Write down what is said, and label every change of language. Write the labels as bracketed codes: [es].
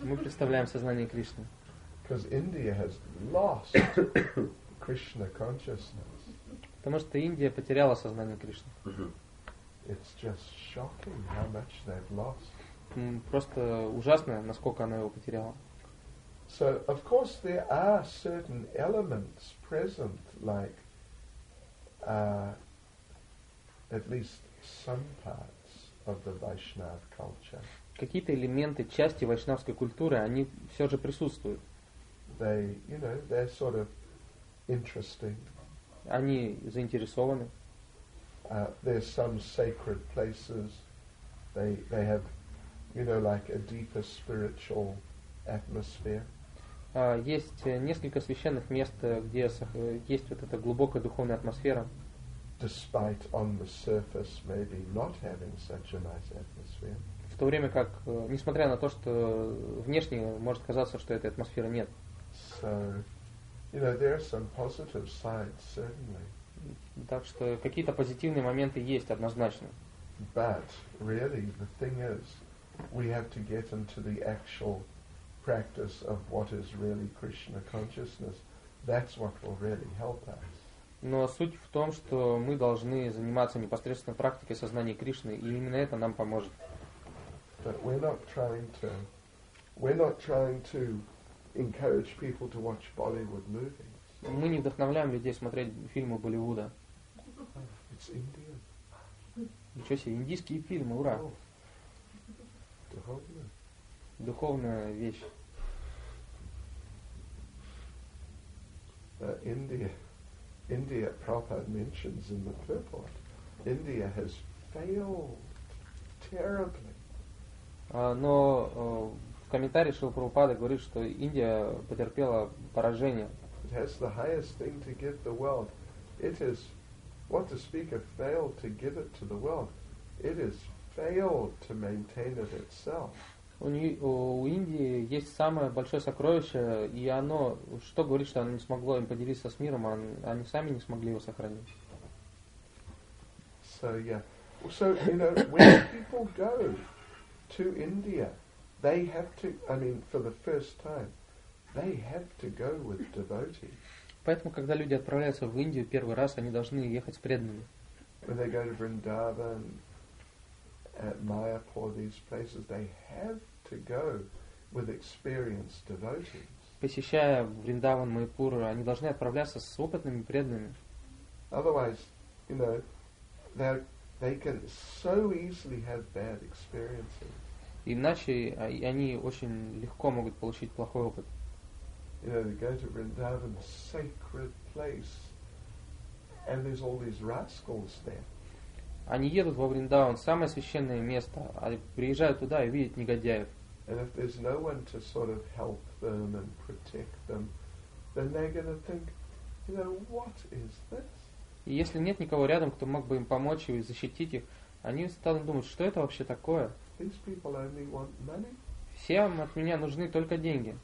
[ru] Мы представляем сознание Кришны. [en] Because India has lost Krishna consciousness. [ru] Потому что Индия потеряла сознание Кришны. [en] It's just shocking how much they've lost. [ru] Просто ужасно, насколько она его потеряла. [en] So, of course, there are certain elements present, like at least some parts of the Vaishnava culture. [ru] Какие-то элементы части вайшнавской культуры, они все же присутствуют. [en] They, you know, they're sort of interesting. [ru] Они заинтересованы. [en] There's some sacred places. They have, you know, like a deeper spiritual atmosphere. [ru] Есть несколько священных мест, где есть вот эта глубокая духовная атмосфера. [en] Despite on the surface maybe not having such a nice atmosphere. [ru] В то время как, несмотря на то, что внешне может казаться, что этой атмосферы нет. [en] So, you know, there are some positive sides, certainly. [ru] Так что какие-то позитивные моменты есть однозначно. [en] But really the thing is, we have to get into the actual practice of what is really Krishna consciousness. That's what will really help us. [ru] Но суть в том, что мы должны заниматься непосредственно практикой сознания Кришны, и именно это нам поможет. [en] But we're not trying to encourage people to watch Bollywood movies. [ru] Мы не вдохновляем людей смотреть фильмы Болливуда. [en] It's Indian. [ru] Ничего себе, индийские фильмы, ура! Духовная вещь. [en] India Prabhupada mentions in the purport, India has failed terribly. [ru] Но в комментарии Шрила Прабхупада говорит, что Индия потерпела поражение. [en] It has the highest thing to give the world. It is, what to speak of failed to give it to the world, it has failed to maintain it itself. [ru] У Индии есть самое большое сокровище, и оно, что говорит, что оно не смогло им поделиться с миром, а они сами не смогли его сохранить. [en] So, yeah. So, you know, when people go to India, they have to, I mean, for the first time, they have to go with devotees. [ru] Поэтому, когда люди отправляются в Индию первый раз, они должны ехать с преданными. [en] When they go to Vrindavan, at Mayapur, these places, they have to go with experienced devotees. [ru] Посещая Вриндаван, Майпур, они должны отправляться с опытными преданными. [en] Otherwise, you know, they can so easily have bad experiences. [ru] Иначе они очень легко могут получить плохой опыт. [en] You know, they go to Vrindavan, sacred place, and there's all these rascals there. [ru] Они едут во Вриндаван, самое священное место, а приезжают туда и видят негодяев. [en] And if there's no one to sort of help them and protect them, then they're going to think, you know, what is this? [ru] И если нет никого рядом, кто мог бы им помочь и защитить их, они станут думать, что это вообще такое? [en] These people only want money. [ru] Всем от меня нужны только деньги.